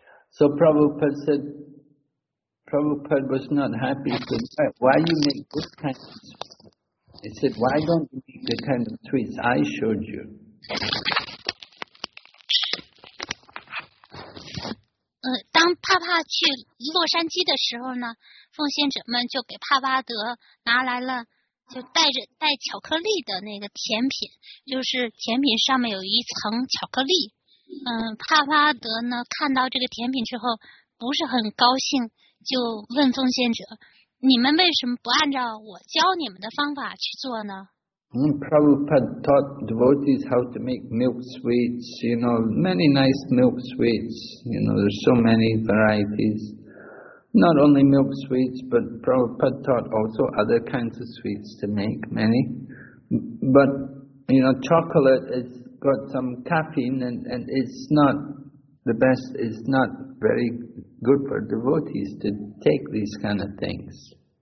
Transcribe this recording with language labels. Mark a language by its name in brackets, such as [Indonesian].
[English] So Prabhupada was not happy. He said, why you make this kind of sweet? He said, why don't you make the kind of sweets I showed you? [Chinese] 当帕帕去洛杉矶的时候呢，奉献者们就给帕巴德拿来了，就带巧克力的那个甜品，就是甜品上面有一层巧克力。帕巴德呢看到这个甜品之后不是很高兴，就问奉献者，你们为什么不按照我教你们的方法去做呢？ [English] Prabhupada taught devotees how to make milk sweets, you know, many nice milk sweets, you know, there's so many varieties. Not only milk sweets, but Prabhupada taught also other kinds of sweets to make, many. But, you know, chocolate has got some caffeine and it's not the best, it's not very good for devotees to take these kind of things.